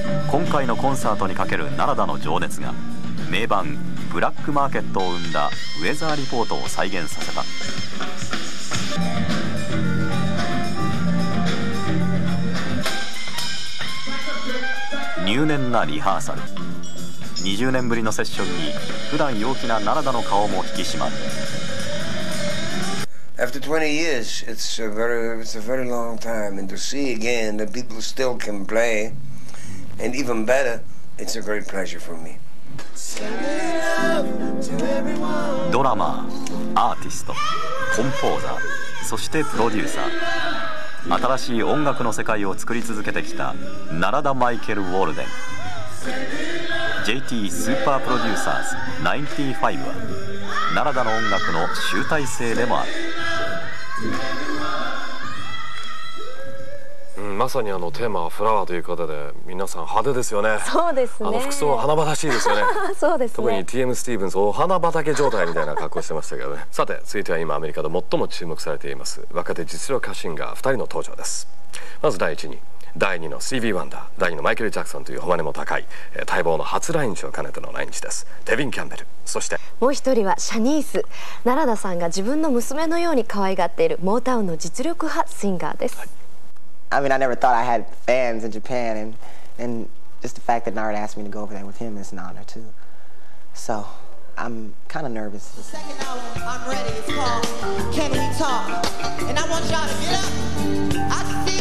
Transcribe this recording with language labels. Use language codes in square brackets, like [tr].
[ja] 今回のコンサートにかけるナラダの情熱が名盤ブラックマーケットを生んだウェザーリポートを再現させた。入念なリハーサル、20年ぶりのセッションに普段陽気なナラダの顔も引き締まる。 [en] After 20 years, it's a very long time, and to see again that people still can play, and even better, it's a great pleasure for me. [ja] ドラマー、アーティスト、コンポーザー、そしてプロデューサー、新しい音楽の世界を作り続けてきたナラダ・マイケル・ウォルデン。 JT スーパープロデューサーズ95はナラダの音楽の集大成でもある。まさにテーマはフラワーということで皆さん派手ですよね。そうですね、服装は花畑しいですよね。そうですね、特に T.M. スティーブンズお花畑状態みたいな格好してましたけどね。さて続いては今アメリカで最も注目されています若手実力派シンガー2人の登場です。まず第1人、第2のスティービー・ワンダー、第2のマイケル・ジャクソンという誉れも高い待望の初来日を兼ねての来日です。テビン・キャンベル、そしてもう一人はシャニース。ナラダさんが自分の娘のように可愛がっているモータウンの実力派シンガーです。 [en] はい、I mean, I never thought I had fans in Japan, and just the fact that Narada asked me to go over there with him is an honor too. So, I'm kind of nervous. The second album I'm ready is called Can We Talk, and I want y'all to get up.